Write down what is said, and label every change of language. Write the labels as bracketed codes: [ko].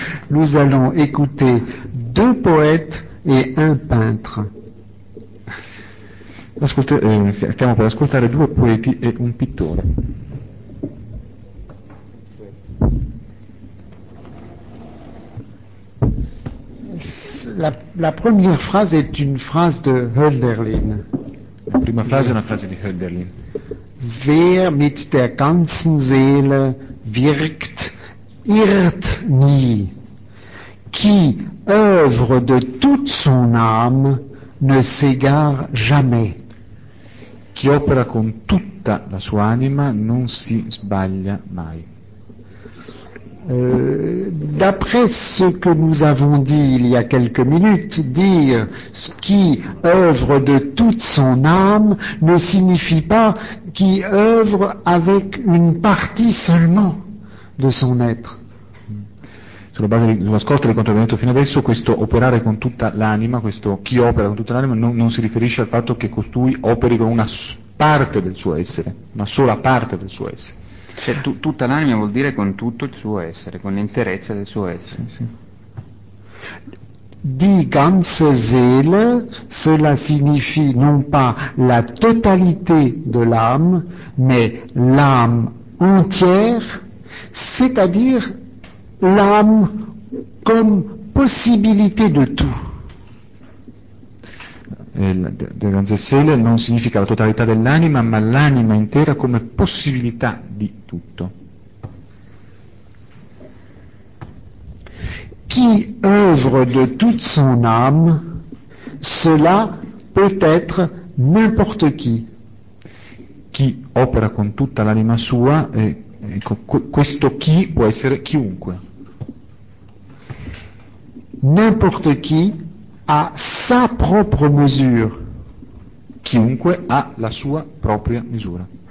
[fr] nous allons écouter deux poètes et un peintre. [it] Stiamo per ascoltare due poeti e un pittore. [fr] La première phrase est une phrase de Hölderlin. [it] La prima frase è una frase di Hölderlin. [de] Wer mit der ganzen Seele wirkt, irrt nie. [fr] Chi œuvre de toute son âme ne s'égare jamais. [it] Chi opera con tutta la sua anima non si sbaglia mai. [fr] D'après ce que nous avons dit il y a quelques minutes, dire ce qui œuvre de toute son âme ne signifie pas qui œuvre avec une partie seulement de son être. [it] Sulla base dell'ascolto di quanto abbiamo detto fino adesso, questo operare con tutta l'anima, questo chi opera con tutta l'anima, non si riferisce al fatto che costui operi con una parte del suo essere, ma sola parte del suo essere. Cioè tutta l'anima vuol dire con tutto il suo essere, con l'interezza del suo essere. [de] Di ganze Seele, [fr] cela significa non pas la totalité de l'âme, mais l'âme entière, c'est-à-dire l'âme comme possibilité de tout. [de] De ganze Seele [it] non significa la totalità dell'anima, ma l'anima intera come possibilità di tutto. [fr] Chi œuvre de toute son âme, cela peut être n'importe qui. [it] Chi opera con tutta l'anima sua, ecco, questo chi può essere chiunque. [fr] N'importe qui a sa propre mesure. [it] Chiunque ha la sua propria misura.